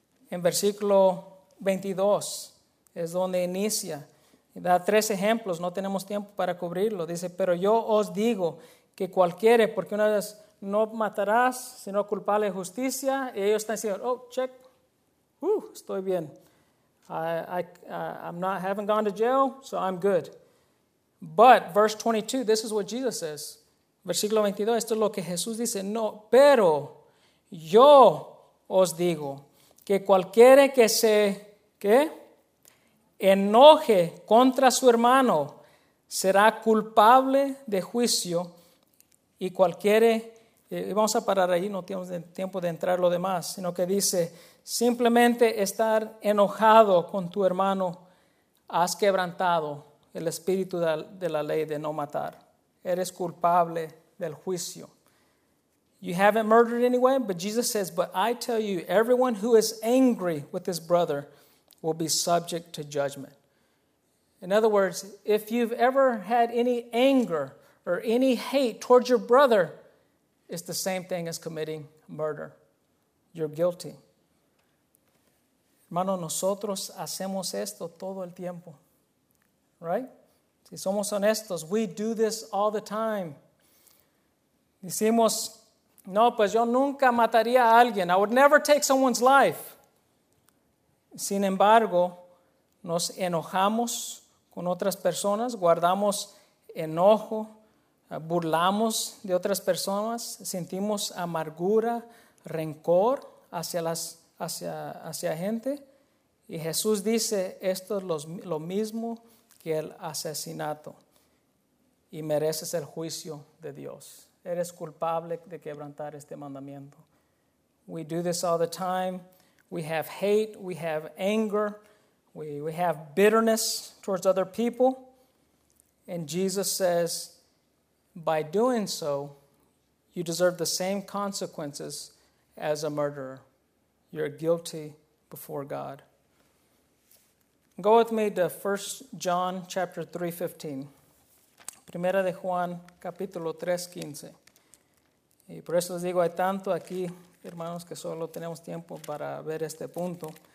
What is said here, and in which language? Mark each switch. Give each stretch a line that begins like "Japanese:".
Spanish: En versículo 22 es donde inicia. Da tres ejemplos, no tenemos tiempo para cubrirlo. Dice, pero yo os digo que cualquiera, porque una vez no matarás, sino culpable de justicia. Y ellos están diciendo, oh, check, estoy bien.
English: I haven't gone to jail, so I'm good. But, verse 22, this is what Jesus says.
Spanish: Versículo 22, esto es lo que Jesús dice. No, pero yo os digo que cualquiera que se, ¿qué?, enoje contra su hermano será culpable de juicio, y cualquiera, y vamos a parar ahí, no tenemos tiempo de entrar lo demás, sino que dice simplemente estar enojado con tu hermano has quebrantado el espíritu de la ley de no matar, eres culpable del juicio.
English: You haven't murdered anyone, but Jesus says, but I tell you, everyone who is angry with his brother will be subject to judgment. In other words, if you've ever had any anger or any hate towards your brother, it's the same thing as committing murder. You're guilty.
Spanish: Hermano, nosotros hacemos esto todo el tiempo.
English: Right?
Spanish: Si somos honestos,
English: we do this all the time.
Spanish: Decimos, no, pues yo nunca mataría a alguien.
English: I would never take someone's life.
Spanish: Sin embargo, nos enojamos con otras personas, guardamos enojo, burlamos de otras personas, sentimos amargura, rencor hacia gente. Y Jesús dice, esto es lo mismo que el asesinato y mereces el juicio de Dios. Eres culpable de quebrantar este mandamiento.
English: We do this all the time. We have hate, we have anger, we have bitterness towards other people. And Jesus says, by doing so, you deserve the same consequences as a murderer. You're guilty before God. Go with me to 1 John chapter 3:15.
Spanish: Primera de Juan, capítulo 3:15. Y por eso les digo, hay tanto aquí, hermanos, que solo tenemos tiempo para ver este punto.